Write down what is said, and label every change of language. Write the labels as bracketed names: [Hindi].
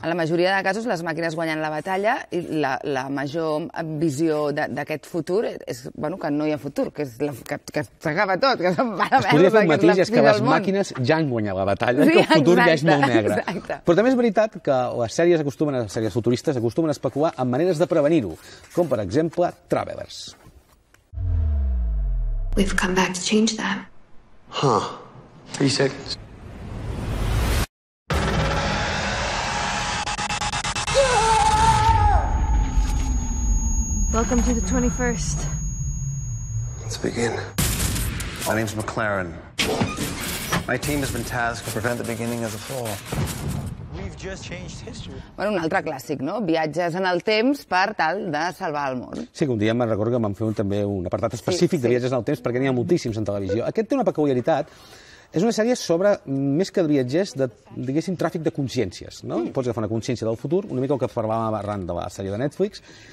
[Catalan] En la majoria de casos, les màquines guanyen la batalla i la major visió d'aquest futur és que no hi ha futur, que s'acaba tot, que se'n va a veure. Es podria fer un matís, és que les màquines ja han guanyat la batalla, sí, que el futur exacte, ja és molt negre. Exacte. Però també és veritat que les sèries futuristes acostumen a especular amb maneres de prevenir-ho, com per exemple Travelers. [English] We've come back to change that. Huh. 3 seconds. Welcome to the 21st. Let's begin. My name's McLaren. My team has been tasked to prevent the beginning of the fall. We've just changed history. [Catalan] Bueno, un altre clàssic, no? Viatges en el temps per tal de salvar el món. Sí, un dia me'n recordo que vam fer també un apartat específic de viatges en el temps perquè n'hi ha moltíssims en televisió. Aquest té una peculiaritat. És una sèrie sobre, més que viatgers, de, diguéssim, tràfic de consciències, no? Pots agafar una consciència del futur, una mica el que parlàvem arran de la sèrie de Netflix.